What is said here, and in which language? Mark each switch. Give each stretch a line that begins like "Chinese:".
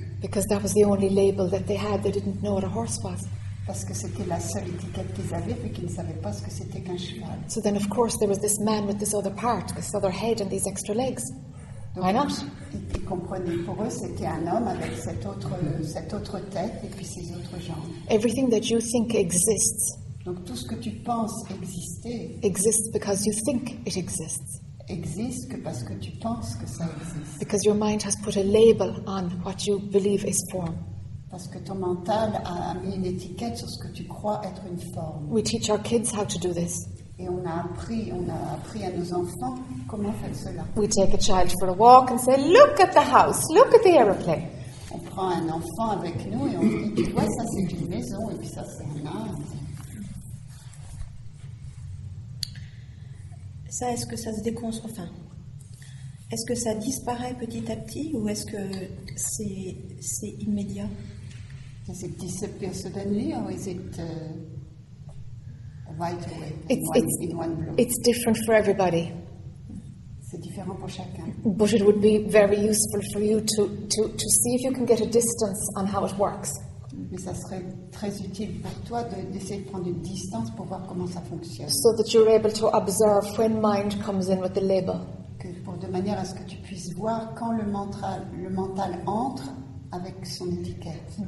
English: Because that was the only label that they had. They didn't know what a horse was.
French: Parce que c'était la seule étiquette qu'ils avaient, puis qu'ils ne savaient pas ce que c'était qu'un cheval.
English: So then, of course, there was this man with this other part, this other head, and these extra legs.
French: Donc,
English: why not?
French: Ils comprenaient pour eux, c'était un homme avec cette autre tête et puis ces autres jambes.
English: Everything that you think exists.
French: Donc tout ce que tu penses exister.
English: Exists because you think it exists.
French: Existe que parce que tu penses que ça existe.
English: Because your mind has put a label on what you believe is form.
French: Parce que ton mental a mis une étiquette sur ce que tu crois être une forme.
English: We teach our kids how to do this.
French: Et on a appris à nos enfants comment faire cela.
English: We take a child for a walk and say, look at the house, look at the aeroplane.
French: On prend un enfant avec nous et on dit, tu vois, ça c'est une maison et puis ça c'est un arbre. Ça, est-ce que ça se déconstruit, enfin, est-ce que ça disparaît petit à petit ou est-ce que c'est immédiat?
English: Does it disappear suddenly or is it right away in one blow? It's different for everybody.
French: C'est différent pour chacun.
English: But it would be very useful for you to see if you can get a distance on how it works.
French: Mais ça serait très utile pour toi d'essayer de prendre une distance pour voir comment ça fonctionne.
English: So that you're able to observe when mind comes in with the label.
French: Que pour de manière à ce que tu puisses voir quand le mental entre avec son étiquette.